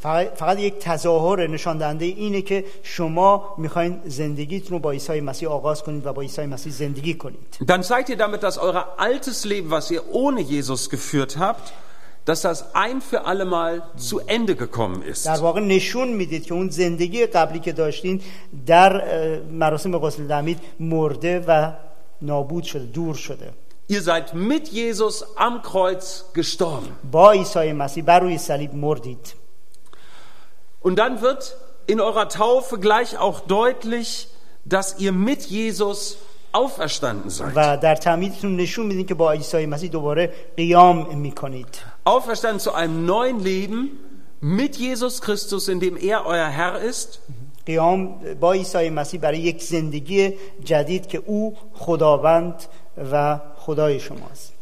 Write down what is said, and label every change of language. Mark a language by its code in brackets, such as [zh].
[fa] فقط یک تظاهر نشان دهنده اینه که شما میخواین زندگیتون رو با عیسی مسیح آغاز کنید و با عیسی مسیح زندگی کنید. [de] Dann zeigt ihr damit, dass euer altes Leben, was ihr ohne Jesus geführt habt, dass das ein für alle Mal zu Ende gekommen ist. [fa] در واقع نشون میدید که اون زندگی قبلی که داشتین در مراسم غسل تعمید مرده و نابود شده، دور شده. [de] Ihr seid mit Jesus am Kreuz gestorben. [fa] با عیسی مسیح بر روی صلیب مردید. [de] Und dann wird in eurer Taufe gleich auch deutlich, dass ihr mit Jesus auferstanden seid. [fa] و در تعمیدتون نشون میدین که با عیسی مسیح دوباره قیام میکنید. [de] Auferstanden zu einem neuen Leben mit Jesus Christus, in dem er euer Herr ist. [fa] قیام با عیسی مسیح برای یک زندگی جدید که او خداوند و خدای شماست.